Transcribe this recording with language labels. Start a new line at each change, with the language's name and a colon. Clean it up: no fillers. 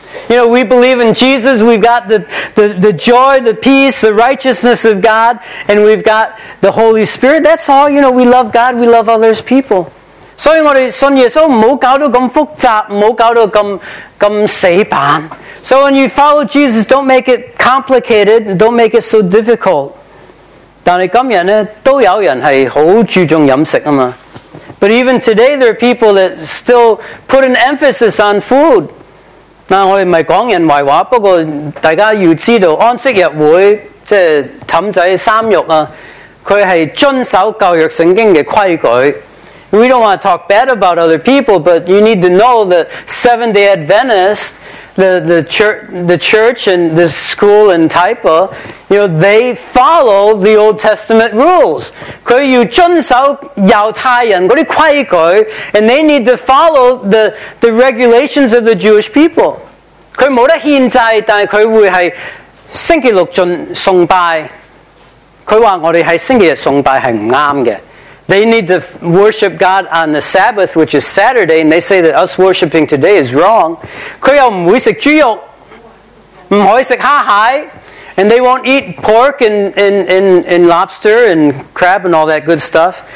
English: You know, we believe in Jesus, we've got the joy, the peace, the righteousness of God, and we've got the Holy Spirit. That's all, you know, we love God, we love others' people.
Cantonese: 所以我哋信耶稣唔好搞到咁复杂，唔好搞到咁死板。
English: So when you follow Jesus, don't make it complicated, don't make it so difficult.
Cantonese: 但係今日呢，都有人係好注重飲食㗎嘛。
English: But even today, there are people that still put an emphasis on food.
Cantonese: 嗱，我哋唔係講人壞話，不過大家要知道安息日會即係氹仔三肉啊，佢系遵守旧约圣经嘅规矩。
English: We don't want to talk bad about other people, but you need to know that Seventh-day Adventists, the church and the school in Taipa, you know, they follow the Old Testament rules.
Cantonese: 佢要遵守猶太人嗰啲規矩,
English: and they need to follow the regulations of the Jewish people.
Cantonese: 佢冇得獻祭, 但佢會係星期六進崇拜。佢話我哋喺星期日崇拜係唔啱嘅。
English: They need to worship God on the Sabbath, which is Saturday, and they say that us worshiping today is wrong.
Cantonese: 佢又唔會食豬肉，唔可以食蝦蟹，
English: and they won't eat pork and lobster and crab and all that good stuff.